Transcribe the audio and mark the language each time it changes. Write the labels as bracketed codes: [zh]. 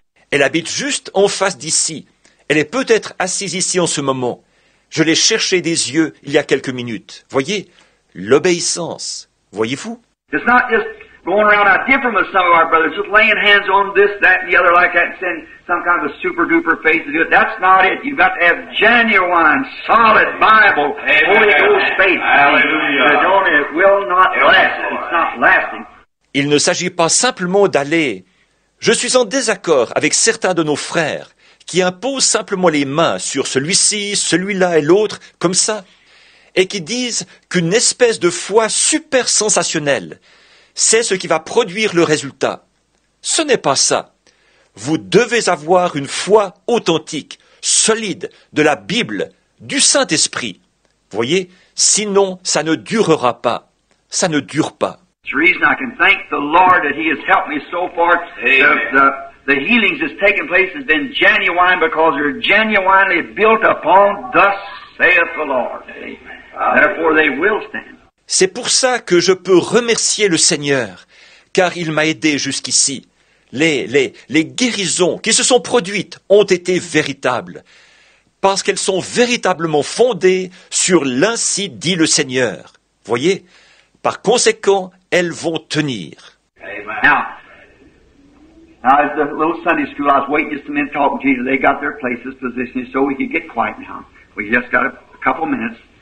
[fr] Elle habite juste en face d'ici. Elle est peut-être assise ici en ce moment. Je l'ai cherchée des yeux il y a quelques minutes. Voyez, l'obéissance. Voyez-vous? [en] It's not just going around, I differ from some of our brothers, just laying hands on this, that, and the other like that, and send some kind of a super-duper faith to do it. That's not it. You've got to have genuine, solid Bible, amen. Holy Ghost faith. Hallelujah. It will not last. It's not lasting. [fr] Il ne s'agit pas simplement d'aller. Je suis en désaccord avec certains de nos frères qui imposent simplement les mains sur celui-ci, celui-là et l'autre, comme ça, et qui disent qu'une espèce de foi super sensationnelle, c'est ce qui va produire le résultat. Ce n'est pas ça. Vous devez avoir une foi authentique, solide, de la Bible, du Saint-Esprit. Voyez, sinon ça ne durera pas. Ça ne dure pas. [en] The reason I can thank the Lord that He has helped me so far. The healings that's taken place has been genuine because they're genuinely built upon thus saith the Lord. Amen. Therefore they will stand. [fr] C'est pour ça que je peux remercier le Seigneur, car il m'a aidé jusqu'ici. Les guérisons qui se sont produites ont été véritables, parce qu'elles sont véritablement fondées sur l'ainsi dit le Seigneur. Voyez, par conséquent, elles vont tenir. [en] Now, as the little Sunday school, I was waiting just a minute talking to you. They got their places positioned so we could get quiet now. We just got a couple minutes.